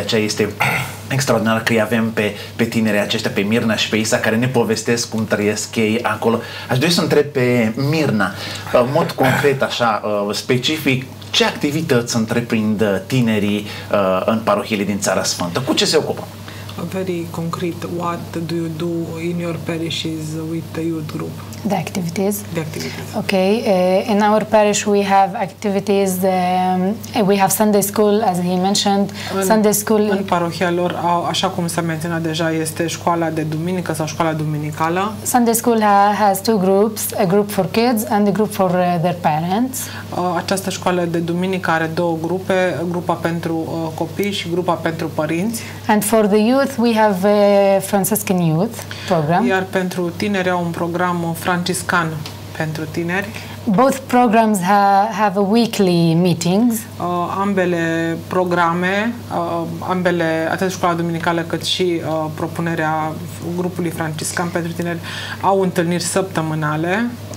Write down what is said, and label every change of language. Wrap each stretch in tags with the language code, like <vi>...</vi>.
<ro>De aceea este extraordinar că îi avem pe tinerii aceștia, pe Mirna și pe Isa, care ne povestesc cum trăiesc ei acolo. Aș dori să întreb pe Mirna, în mod concret, așa, specific, ce activități întreprind tinerii în parohiile din Țara Sfântă? Cu ce se ocupă?</ro> <en>Very concrete, what do you do in your parishes with the youth group? The activities? The activities. Okay, in our parish we have activities, we have Sunday school, as he mentioned. Sunday school.</en> <ro>În parohia lor, așa cum s-a menționat deja, este școala de duminică sau școala duminicală.</ro> <en>Sunday school has two groups, a group for kids and a group for their parents.</en> <ro>Această școală de duminică are două grupe, grupa pentru copii și grupa pentru părinți.</ro> <en>And for the youth, we have a Franciscan youth program.</en> <ro>Iar pentru tineri au un program franciscan pentru tineri.</ro> <en>Both programs have weekly meetings.</en> <ro>Ambele programe, ambele, atât școala duminicală cât și propunerea grupului franciscan pentru tineri, au întâlniri săptămânale.</ro>